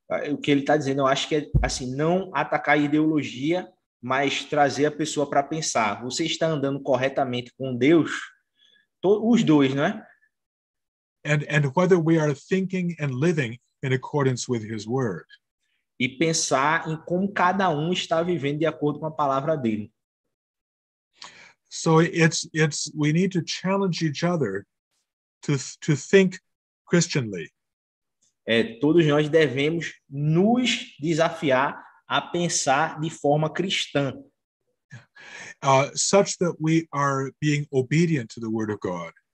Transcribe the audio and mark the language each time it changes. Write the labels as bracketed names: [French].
[Portuguese] O que ele está dizendo, eu acho que é assim, não atacar a ideologia, mas trazer a pessoa para pensar. Você está andando corretamente com Deus? Os dois, não é? [English] And whether we are thinking and living in accordance with his word. [Portuguese] E pensar em como cada um está vivendo de acordo com a palavra dele. [English] So it's we need to challenge each other to think Christianly. [Portuguese] Todos nós devemos nos desafiar a pensar de forma cristã. [English] Such that we are being obedient to the word of God.